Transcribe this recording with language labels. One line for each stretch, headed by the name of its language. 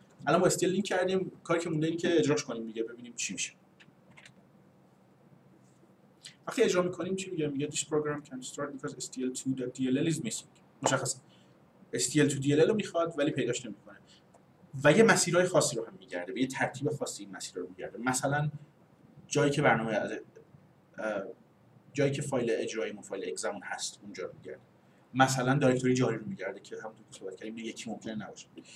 Persian: الان با STL لینک کردیم، کاری که مونده این که اجراش کنیم دیگه، ببینیم چی میشه. وقتی اجرا میکنیم چی میگه؟ میگه
English: this program can start because STL2.dll is missing.
Persian: مشخصه STL2.dll رو میخواد ولی پیداش نمیکنه و یه مسیرهای خاصی رو هم میگرده، به یه ترتیب خاصی این مسیر رو میگرده. مثلا جایی که برنامه جایی که فایل اجرایی و فایل اگزمون هست اونجا رو میگرده. مثلا دایرکتوری جاری رو میگرده که همونطور که صحبت کردیم یکی ممکنه نباشه.